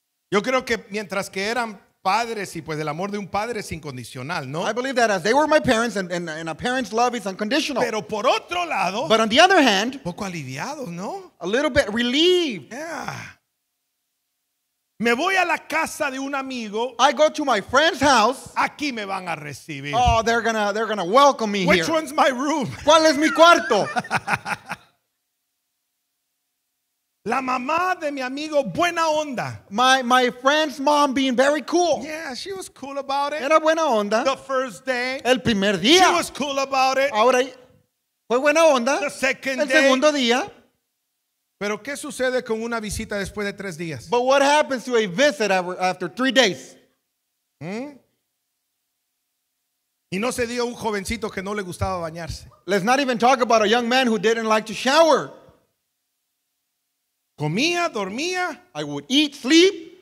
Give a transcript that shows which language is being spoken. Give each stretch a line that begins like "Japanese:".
Spanish: Yo creo que mientras que eran padres y pues el amor de un padre es incondicional, ¿no?
English: I believe that as they were my parents and a parent's love is unconditional.
Spanish: Pero por otro lado,
English: but on the other hand,
Spanish: poco aliviado, ¿no?
English: A little bit relieved. Yeah.
Spanish: Me voy a la casa de un amigo.
English: I go to my friend's house.
Spanish: Aquí me van a recibir.
English: Oh, they're gonna welcome me. Which here. One's my room?
Spanish: ¿Cuál es mi cuarto? La mamá de mi amigo, buena onda.
English: My friend's mom being very cool. Yeah, she was cool about it.
Spanish: Era buena onda.
English: The first day.
Spanish: El primer día.
English: She was cool about it.
Spanish: Ahora, fue buena onda.
English: The second
Spanish: el
English: day.
Spanish: El segundo día. Pero, ¿qué sucede con una visita después de 3 días?
English: But what happens to a visit after 3 days?
Spanish: Y no se dio un jovencito que no le gustaba bañarse.
English: Let's not even talk about a young man who didn't like to shower.
Spanish: Comía, dormía.
English: I would eat, sleep.